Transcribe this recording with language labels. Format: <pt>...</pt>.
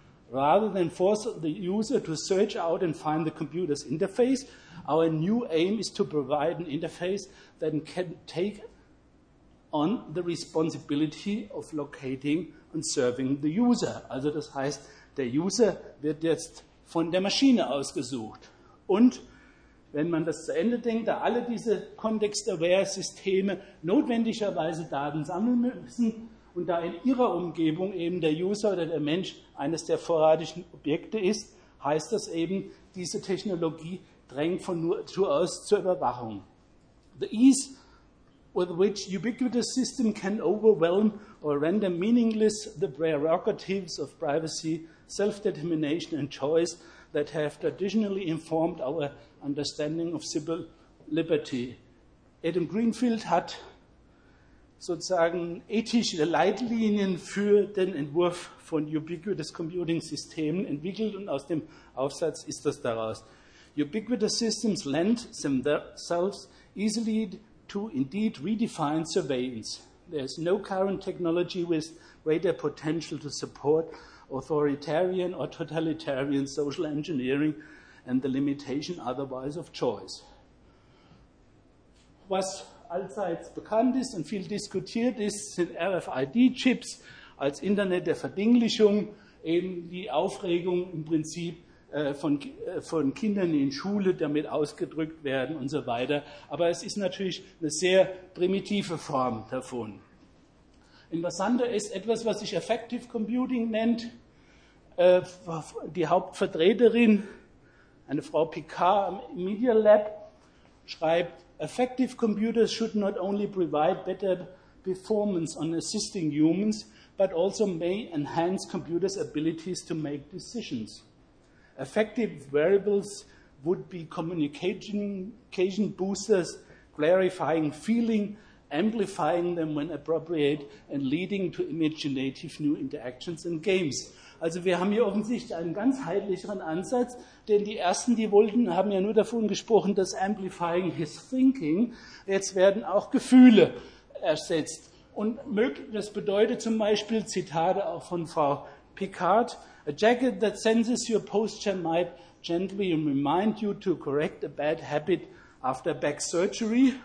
<en>Rather than force the user to search out and find the computer's interface, our new aim is to provide an interface that can take on the responsibility of locating and serving the user.</en> <de>Also das heißt, der User wird jetzt von der Maschine ausgesucht. Und wenn man das zu Ende denkt, da alle diese Context-Aware-Systeme notwendigerweise Daten sammeln müssen und da in ihrer Umgebung eben der User oder der Mensch eines der vorrangigen Objekte ist, heißt das eben, diese Technologie drängt von Natur aus zur Überwachung.</de> <en>The ease with which ubiquitous system can overwhelm or render meaningless the prerogatives of privacy, self-determination and choice that have traditionally informed our understanding of civil liberty.</en> <de>Adam Greenfield hat sozusagen ethische Leitlinien für den Entwurf von ubiquitous computing Systemen entwickelt und aus dem Aufsatz ist das daraus.</de> <en>Ubiquitous systems lend themselves easily to indeed redefine surveillance. There is no current technology with greater potential to support authoritarian or totalitarian social engineering and the limitation otherwise of choice.</en> <de>Was allseits bekannt ist und viel diskutiert ist, sind RFID-Chips als Internet der Verdinglichung, eben die Aufregung im Prinzip von Kindern in Schule damit ausgedrückt werden und so weiter. Aber es ist natürlich eine sehr primitive Form davon. Interessanter ist etwas, was sich Effective Computing nennt. Die Hauptvertreterin, eine Frau Picard am Media Lab, schreibt,</de> <en>Effective computers should not only provide better performance on assisting humans, but also may enhance computers' abilities to make decisions. Effective wearables would be communication boosters, clarifying feeling, amplifying them when appropriate and leading to imaginative new interactions and games.</en> <de>Also wir haben hier offensichtlich einen ganzheitlicheren Ansatz, denn die ersten, die wollten, haben ja nur davon gesprochen, dass</de> <en>amplifying his thinking,</en> <de>jetzt werden auch Gefühle ersetzt. Und das bedeutet zum Beispiel, Zitate auch von Frau Picard,</de> <en>a jacket that senses your posture might gently remind you to correct a bad habit after back surgery.</en>